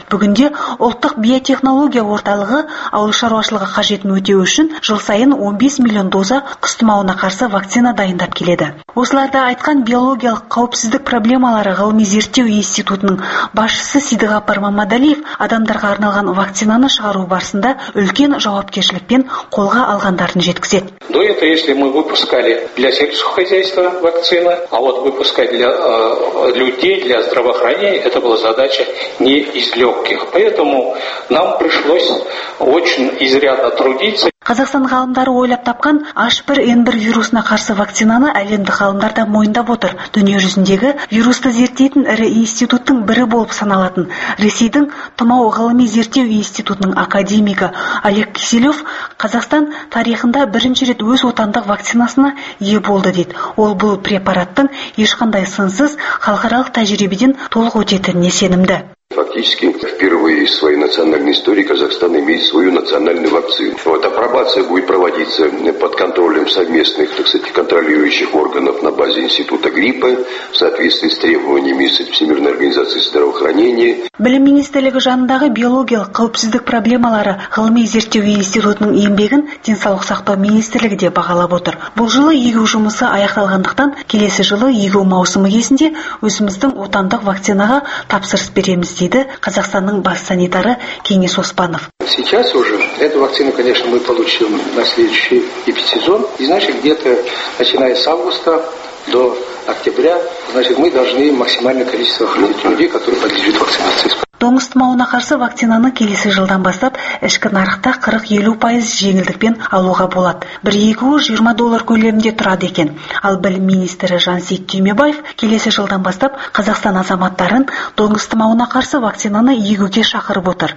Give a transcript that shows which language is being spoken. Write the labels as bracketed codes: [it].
[kk] Бүгінде ұлттық биотехнология орталығы ауыл шаруашылығы қажетін өтеу үшін жыл сайын 15 миллион доза құс тұмауына қарсы вакцина дайындап келеді. Осыларды айтқан биологиялық қауіпсіздік проблемалары ғылыми зерттеу институтының басшысы Сидығапар Мамадалиев адамдарға арналған вакцинаны шығару барысында үлкен жауапкершілікпен қолға алғандарын жеткізеді. [ru] До этого, если мы выпускали для сельского хозяйства вакцины, а вот выпускать для людей, для здравоохранения, это была задача не из легких. Поэтому нам пришлось очень изрядно трудиться. [kk] Қазақстан ғалымдары ойлап тапқан H1N1 вирусына қарсы вакцинаны әлемдік ғалымдар да мойындап отыр. Дүниежүзіндегі вирусты зерттейтін ірі институттың бірі болып саналатын Ресейдің тұмау ғылыми зерттеу институтының академигі Олег Киселев Қазақстан тарихында бірінші рет өз отандық вакцинасына ие болды дейді. Ол бұл препараттың ешқандай сынсыз халықаралық тәжірибеден толық өтетініне сенімді. [ru] Фактически, впервые в своей национальной истории Казахстан имеет свою национальную вакцину. Вот апробация будет проводиться под контролем совместных, так сказать, контролирующих органов на базе института гриппа в соответствии с требованиями Всемирной организации здравоохранения. [kk] Білім министрлігі жанындағы биологиялық қауіпсіздік проблемалары ғылыми зерттеу институтының еңбегін денсаулық сақтау министрлігі де бағалап отыр. Бұл жылы егу жұмысы аяқталғандықтан келесі жылы егу маусымы кезінде өзіміздің отандық вакцинаға тапсырыс береміз, дейді Қазақстанның бас санитары Кеңес Оспанов. [ru] Сейчас уже эту вакцину, конечно, мы получим на следующий эпидсезон, и значит, где-то начиная с августа до октября, значит, мы должны максимальное количество хранить людей, которые подлежат вакцинации. [kk] Доңыз тұмауына қарсы вакцинаны келесі жылдан бастап ішкі нарықта 40-50% жеңілдікпен алуға болады. Бір екеуі $20 көлемінде тұрады екен. Ал білім министрі Жансейіт Түймебаев келесі жылдан бастап Қазақстан азаматтарын доңыз тұмауына қарсы вакцинаны егуге шақырып отыр.